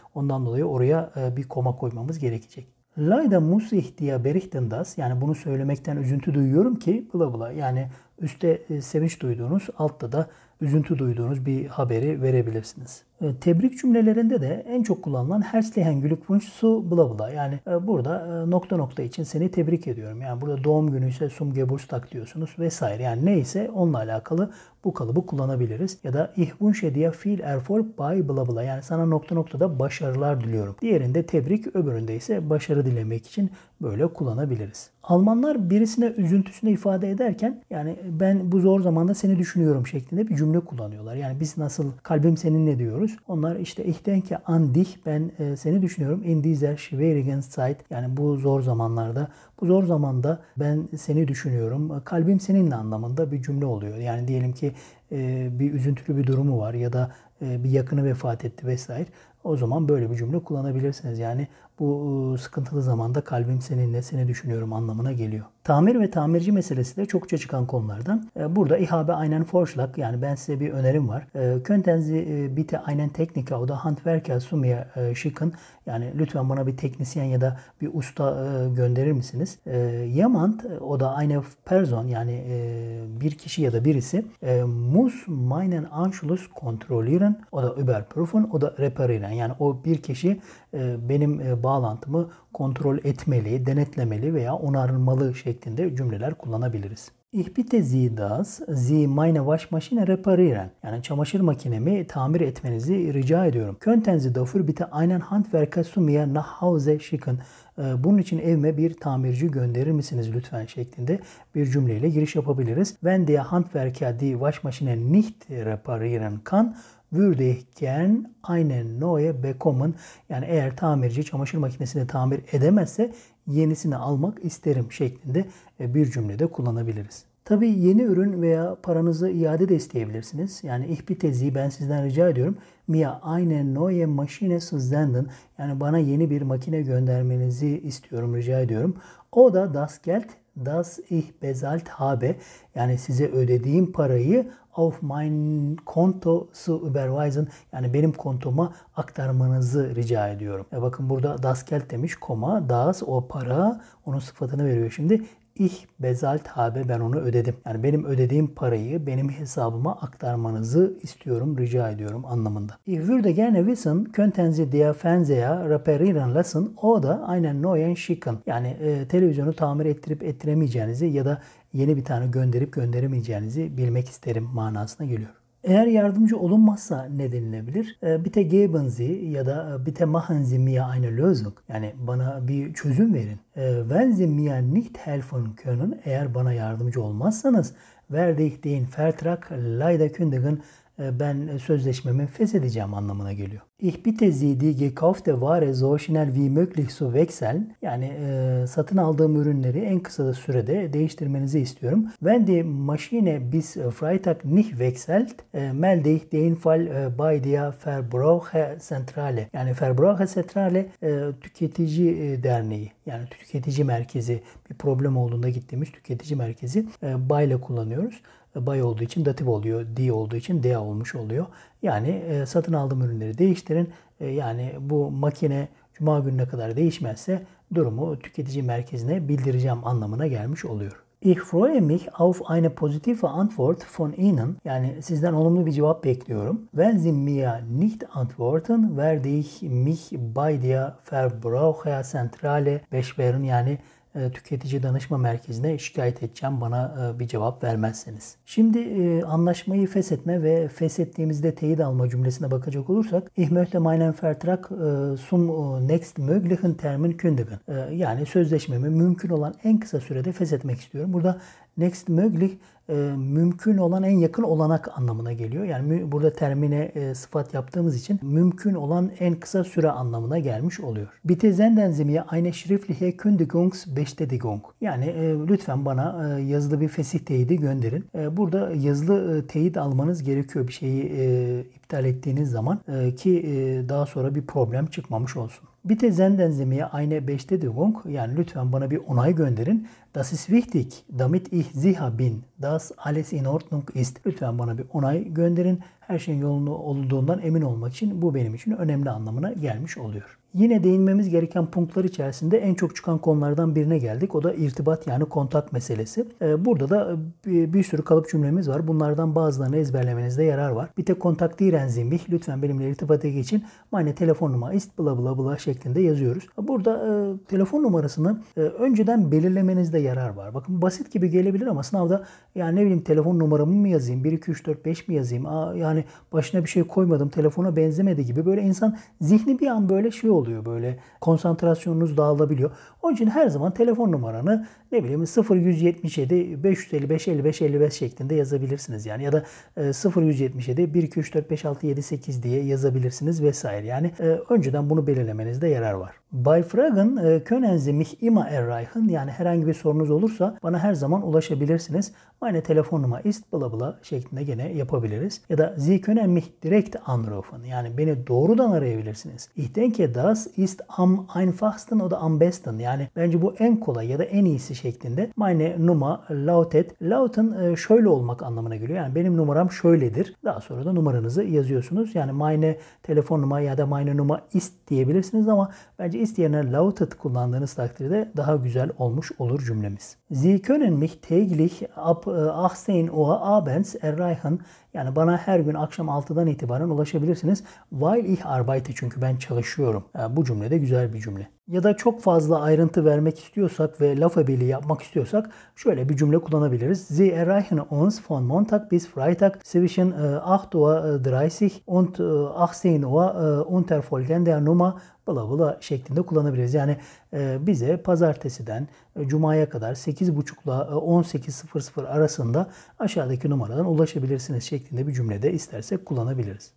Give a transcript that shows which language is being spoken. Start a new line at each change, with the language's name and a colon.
Turkish: Ondan dolayı oraya bir koma koymamız gerekecek.
German: Leider muss ich dir berichten das,
Turkish: yani bunu söylemekten üzüntü duyuyorum ki bla bla, yani üstte sevinç duyduğunuz, altta da üzüntü duyduğunuz bir haberi verebilirsiniz. Tebrik cümlelerinde de en çok kullanılan
German: herzlichen Glückwunsch zu
Turkish: bla bla. Yani burada nokta nokta için seni tebrik ediyorum. Yani burada doğum günü ise
German: zum Geburtstag
Turkish: diyorsunuz vesaire. Yani neyse onunla alakalı bu kalıbı kullanabiliriz. Ya da
German: ich wünsche dir viel Erfolg bei bla bla.
Turkish: Yani sana nokta nokta da başarılar diliyorum. Diğerinde tebrik, öbüründe ise başarı dilemek için böyle kullanabiliriz. Almanlar birisine üzüntüsünü ifade ederken yani ben bu zor zamanda seni düşünüyorum şeklinde bir cümle kullanıyorlar. Yani biz nasıl kalbim seninle diyoruz. Onlar işte
German: ich denke an dich,
Turkish: ben seni düşünüyorum
German: in dieser schwierigen Zeit,
Turkish: yani bu zor zamanlarda. Bu zor zamanda ben seni düşünüyorum. Kalbim seninle anlamında bir cümle oluyor. Yani diyelim ki bir üzüntülü bir durumu var ya da bir yakını vefat etti vesaire. O zaman böyle bir cümle kullanabilirsiniz. Yani bu sıkıntılı zamanda kalbim seninle, seni düşünüyorum anlamına geliyor. Tamir ve tamirci meselesi de çokça çıkan konulardan. Burada
German: ich habe einen Vorschlag,
Turkish: yani ben size bir önerim var.
German: Könnten Sie bitte einen Techniker oder Handwerker zu mir schicken?
Turkish: Yani lütfen bana bir teknisyen ya da bir usta gönderir misiniz?
German: Jemand,
Turkish: o da
German: eine Person,
Turkish: yani bir kişi ya da birisi,
German: muss meinen Anschluss kontrollieren,
Turkish: o da
German: überprüfen,
Turkish: o da
German: reparieren.
Turkish: Yani o bir kişi benim bağlantımı kontrol etmeli, denetlemeli veya onarılmalı şeklinde cümleler kullanabiliriz.
German: Ich bitte Sie das, Sie meine Waschmaschine reparieren.
Turkish: Yani çamaşır makinemi tamir etmenizi rica ediyorum.
German: Könnten Sie dafür bitte einen Handwerker zu mir nach Hause schicken.
Turkish: Bunun için evime bir tamirci gönderir misiniz lütfen şeklinde bir cümleyle giriş yapabiliriz.
German: Wenn der Handwerker die Waschmaschine nicht reparieren kann, würde ich gern eine neue bekommen.
Turkish: Yani eğer tamirci çamaşır makinesini tamir edemezse yenisini almak isterim şeklinde bir cümlede kullanabiliriz. Tabii yeni ürün veya paranızı iade de isteyebilirsiniz. Yani ich bitte Sie, ben sizden rica ediyorum.
German: Mir eine neue Maschine zu senden.
Turkish: Yani bana yeni bir makine göndermenizi istiyorum, rica ediyorum. O da
German: das Geld Das ich bezahlt habe,
Turkish: yani size ödediğim parayı
German: auf mein Konto zu überweisen,
Turkish: yani benim kontoma aktarmanızı rica ediyorum. Ya bakın burada
German: das Geld
Turkish: demiş, koma, das o para, onun sıfatını veriyor şimdi.
German: Ich bezahlt habe,
Turkish: ben onu ödedim. Yani benim ödediğim parayı benim hesabıma aktarmanızı istiyorum, rica ediyorum anlamında.
German: Ich würde gerne wissen, könnten Sie den Fernseher reparieren lassen oder einen neuen schicken.
Turkish: Yani televizyonu tamir ettirip ettiremeyeceğinizi ya da yeni bir tane gönderip gönderemeyeceğinizi bilmek isterim manasına geliyor. Eğer yardımcı olunmazsa ne denilebilir?
German: Bitte geben Sie
Turkish: ya da
German: bitte machen Sie mir eine Lösung.
Turkish: Yani bana bir çözüm verin.
German: Wenn Sie mir nicht helfen können,
Turkish: eğer bana yardımcı olmazsanız,
German: werde ich den Vertrag leider kündigen,
Turkish: ben sözleşmemi feshedeceğim anlamına geliyor.
German: Ich bitte Sie die gekaufte Ware so schnell wie möglich zu wechseln.
Turkish: Yani satın aldığım ürünleri en kısa sürede değiştirmenizi istiyorum.
German: Wenn die Maschine bis Freitag nicht wechselt, melde ich den Fall bei der Verbraucherzentrale.
Turkish: Yani Verbraucherzentrale tüketici derneği. Yani tüketici merkezi. Bir problem olduğunda gittiğimiz tüketici merkezi. Bay ile kullanıyoruz. Bay olduğu için datif oluyor. D olduğu için D olmuş oluyor. Yani satın aldığım ürünleri değiştirin. Yani bu makine cuma gününe kadar değişmezse durumu tüketici merkezine bildireceğim anlamına gelmiş oluyor.
German: Ich freue mich auf eine positive Antwort von Ihnen.
Turkish: Yani sizden olumlu bir cevap bekliyorum.
German: Wenn Sie mir nicht antworten, werde ich mich bei der Verbraucherzentrale beschweren.
Turkish: Yani tüketici danışma merkezine şikayet edeceğim bana bir cevap vermezseniz. Şimdi anlaşmayı feshetme ve feshettiğimizde teyit alma cümlesine bakacak olursak
German: Ich möchte meinen Vertrag zum next möglichen Termin kündigen.
Turkish: Yani sözleşmemi mümkün olan en kısa sürede feshetmek istiyorum. Burada next möglich mümkün olan en yakın olanak anlamına geliyor. Yani burada termine sıfat yaptığımız için mümkün olan en kısa süre anlamına gelmiş oluyor.
German: Bitte senden Sie eine schriftliche Kündigungsbestätigung.
Turkish: Yani lütfen bana yazılı bir fesih teyidi gönderin. Burada yazılı teyit almanız gerekiyor bir şeyi iptal ettiğiniz zaman ki daha sonra bir problem çıkmamış olsun.
German: Bitte senden Sie mir eine Bestätigung,
Turkish: yani lütfen bana bir onay gönderin.
German: Das ist wichtig, damit ich sicher bin, dass alles in Ordnung ist.
Turkish: Lütfen bana bir onay gönderin. Her şeyin yolunda olduğundan emin olmak için bu benim için önemli anlamına gelmiş oluyor. Yine değinmemiz gereken punktlar içerisinde en çok çıkan konulardan birine geldik. O da irtibat yani kontak meselesi. Burada da bir sürü kalıp cümlemiz var. Bunlardan bazılarını ezberlemenizde yarar var.
German: Bitte kontaktieren Sie mich.
Turkish: Lütfen benimle irtibata geçin.
German: Meine telefon numara ist bla bla bla
Turkish: şeklinde yazıyoruz. Burada telefon numarasını önceden belirlemenizde yarar var. Bakın basit gibi gelebilir ama sınavda yani ne bileyim telefon numaramı mı yazayım? 1, 2, 3, 4, 5 mi yazayım? Yani başına bir şey koymadım. Telefona benzemedi gibi. Böyle insan zihni bir an böyle şey oluyor, böyle konsantrasyonunuz dağılabiliyor. Onun için her zaman telefon numaranı ne bileyim 0177 555 5555 şeklinde yazabilirsiniz yani, ya da 0177 1234567 diye yazabilirsiniz vesaire. Yani önceden bunu belirlemenizde yarar var.
German: Bei Fragen können Sie mich immer erreichen.
Turkish: Yani herhangi bir sorunuz olursa bana her zaman ulaşabilirsiniz.
German: Meine telefon numara ist bla bla
Turkish: şeklinde gene yapabiliriz. Ya da
German: Sie können mich direkt anrufen.
Turkish: Yani beni doğrudan arayabilirsiniz.
German: Ich denke das ist am einfachsten oder am besten.
Turkish: Yani bence bu en kolay ya da en iyisi şeklinde.
German: Meine Nummer lautet.
Turkish: Lauten şöyle olmak anlamına geliyor. Yani benim numaram şöyledir. Daha sonra da numaranızı yazıyorsunuz. Yani
German: meine telefon numara
Turkish: ya da
German: meine Nummer ist
Turkish: diyebilirsiniz ama bence ist yerine lautet kullandığınız takdirde daha güzel olmuş olur cümlemiz.
German: Sie können mich täglich ab 18 Uhr abends erreichen.
Turkish: Yani bana her gün akşam 6'dan itibaren ulaşabilirsiniz.
German: While ich arbeite,
Turkish: çünkü ben çalışıyorum. Yani bu cümle de güzel bir cümle. Ya da çok fazla ayrıntı vermek istiyorsak ve lafa birliği yapmak istiyorsak şöyle bir cümle kullanabiliriz.
German: Sie erreichen uns von Montag bis Freitag zwischen 8:30 und 18 Uhr unter folgender Nummer bla bla
Turkish: şeklinde kullanabiliriz. Yani bize pazartesiden cumaya kadar 8.30'la 18.00 arasında aşağıdaki numaradan ulaşabilirsiniz şeklinde bir cümlede istersek kullanabiliriz.